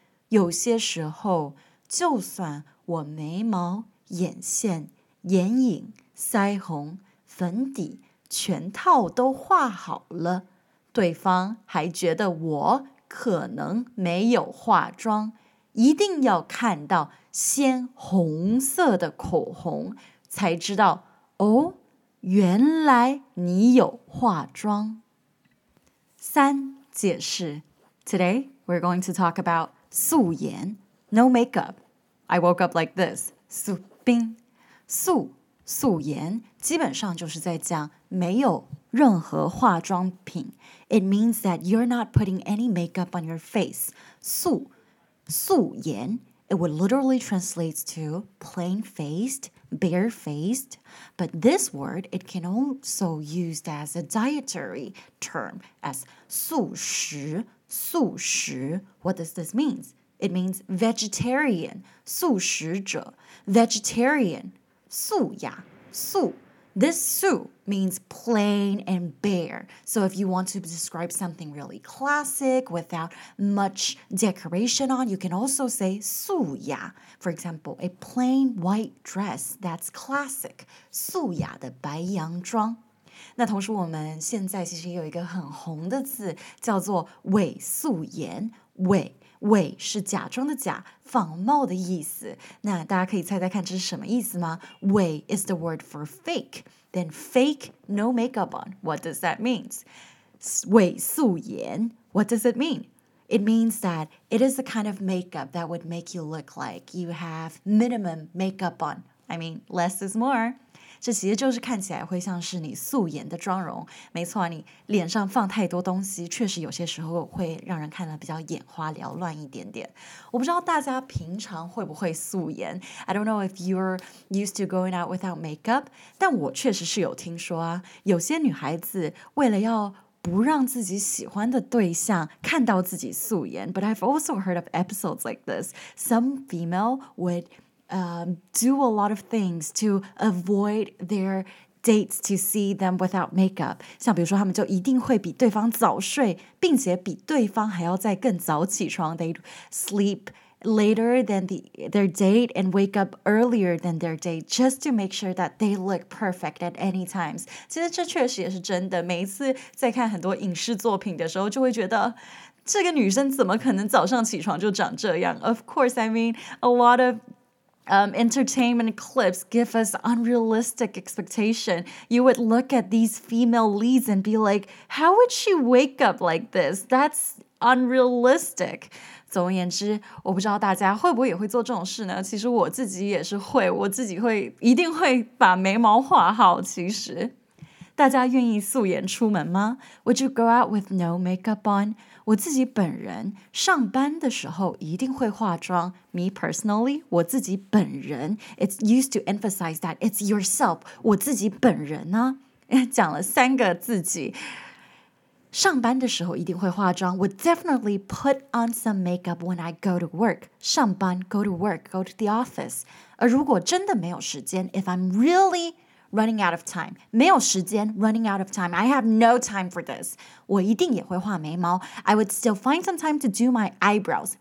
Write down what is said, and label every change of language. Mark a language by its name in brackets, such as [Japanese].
[Chinese] 有些时候就算我眉毛、眼线、眼影、腮红、粉底全套都画好了，对方还觉得我可能没有化妆，一定要看到鲜红色的口红才知道，哦，原来你有化妆。三，解释。 [English] Today, we're going to talk about 素颜 No makeup. I woke up like this. [Chinese] 素冰素颜基本上就是在讲没有任何化妆品。 [English] It means that you're not putting any makeup on your face. 素颜 It would literally translate to plain-faced, bare-faced. But this word, it can also be used as a dietary term, as 素食 What does this mean? It means vegetarian, 素食者 Vegetarian, 素呀 This su means plain and bare. So if you want to describe something really classic without much decoration on, you can also say 素雅. For example, a plain white dress that's classic. [Chinese] 素雅的白洋装。那同时我们现在其实也有一个很红的字叫做伪素颜。伪是假装的假，仿冒的意思。那大家可以猜猜看这是什么意思吗？ [English] 伪 is the word for fake. Then fake no makeup on. What does that mean? 伪素颜。What does it mean? It means that it is the kind of makeup that would make you look like you have minimum makeup on. I mean, less is more. [Chinese] 这其实就是看起来会像是你素颜的妆容。没错，你脸上放太多东西，确实有些时候会让人看得比较眼花缭乱一点点。我不知道大家平常会不会素颜。 [English] I don't know if you're used to going out without makeup, [Chinese] 但我确实是有听说啊，有些女孩子为了要不让自己喜欢的对象看到自己素颜。 [English] But I've also heard of episodes like this. Some female would... do a lot of things to avoid their dates to see them without makeup. 像比如说他们就一定会比对方早睡，并且比对方还要再更早起床。 They sleep later than their date and wake up earlier than their date just to make sure that they look perfect at any times. [Chinese] 其实这确实也是真的，每一次在看很多影视作品的时候就会觉得这个女生怎么可能早上起床就长这样。 [English] Of course, I mean, a lot ofentertainment clips give us unrealistic expectation. You would look at these female leads and be like, how would she wake up like this? That's unrealistic. [Chinese] 总而言之，我不知道大家会不会也会做这种事呢？其实我自己也是会，我自己会一定会把眉毛画好。其实大家愿意素颜出门吗？ [English] Would you go out with no makeup on? [Chinese] 我自己本人上班的时候一定会化妆。 [English] Me personally, 我自己本人 It's used to emphasize that it's yourself, [Chinese] 我自己本人呢、啊、讲了三个自己。上班的时候一定会化妆。 [English] Would definitely put on some makeup when I go to work. 上班 go to work, go to the office. [Chinese] 而如果真的没有时间 [English] If I'm really... Running out of time. [Chinese] 没有时间 [English] running out of time. I have no time for this. [Chinese] 我一定也会画眉毛。 [English] I would still find some time to do my eyebrows.